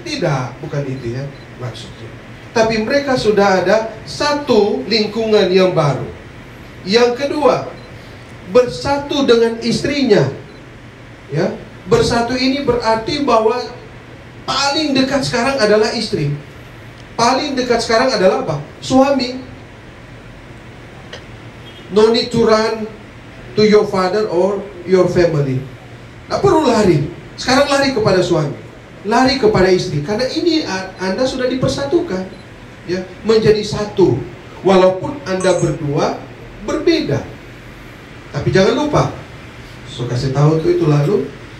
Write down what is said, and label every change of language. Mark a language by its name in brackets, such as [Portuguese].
[Indonesian] Tidak, bukan itu ya maksudnya. Tapi mereka sudah ada satu lingkungan yang baru. Yang kedua, bersatu dengan istrinya. Ya, bersatu ini berarti bahwa paling dekat sekarang adalah istri. Paling dekat sekarang adalah apa? Suami. [English] No need to run to your father or your family. [Indonesian] Tak perlu lari. Sekarang lari kepada suami, lari kepada istri. Karena ini Anda sudah dipersatukan, ya, menjadi satu. Walaupun Anda berdua berbeda, tapi jangan lupa, so kasih tahu tuh itu lalu.